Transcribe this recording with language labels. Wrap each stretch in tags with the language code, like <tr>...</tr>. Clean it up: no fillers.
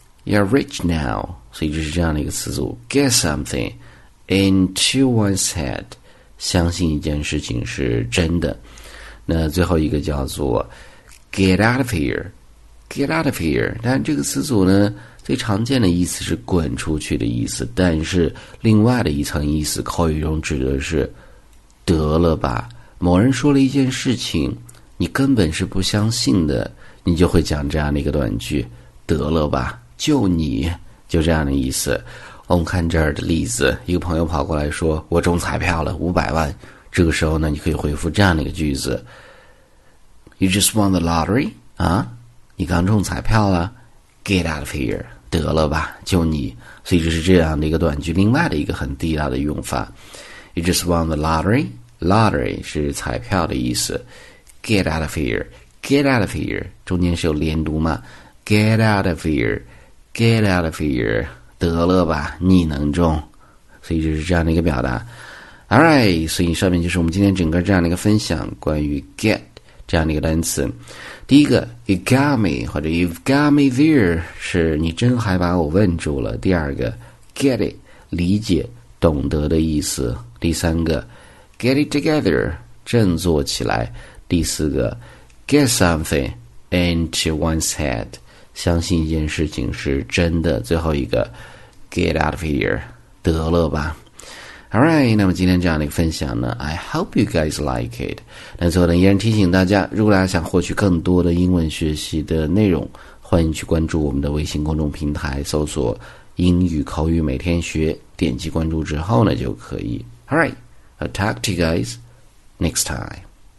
<en>You're rich now.</en> <zh>所以这是这样的一个词组 get something into one's head， 相信一件事情是真的。那最后一个叫做 get out of here， 但这个词组呢最常见的意思是滚出去的意思，但是另外的一层意思口语中指的是得了吧，某人说了一件事情你根本是不相信的，你就会讲这样的一个短句，得了吧，就你就这样的意思。我们看这儿的例子，一个朋友跑过来说我中彩票了500万，这个时候呢你可以回复这样的一个句子，</zh> <en>You just won the lottery?</en> <zh>啊，你刚中彩票了</zh> <en>？Get out of here！</en> <zh>得了吧，就你。所以这是这样的一个短句，另外的一个很地道的用法。</zh> <en>You just won the lottery.</en> <zh>Lottery 是彩票的意思。</zh> <en>Get out of here. Get out of here.</en> <zh>中间是有连读吗 ？</zh> <en>Get out of here. Get out of here.</en> <zh>得了吧，你能中。所以就是这样的一个表达。</zh> <en>All right.</en> <zh>所以上面就是我们今天整个这样的一个分享，关于 get 这样的一个单词。第一个 ，</zh> <en>You got me</en> <zh>或者</zh> <en>You've got me there</en> <zh>是你真还把我问住了。第二个 ，get it 理解。懂得的意思。第三个 get it together 振作起来。第四个 get something into one's head 相信一件事情是真的。最后一个 get out of here 得了吧。 Alright， 那么今天这样的一个分享呢，</zh> <en>I hope you guys like it。</en> <zh>那最后呢，依然提醒大家，如果大家想获取更多的英文学习的内容，欢迎去关注我们的微信公众平台，搜索英语口语每天学，点击关注之后呢就可以。</zh> <en>Alright, I'll talk to you guys next time.</en>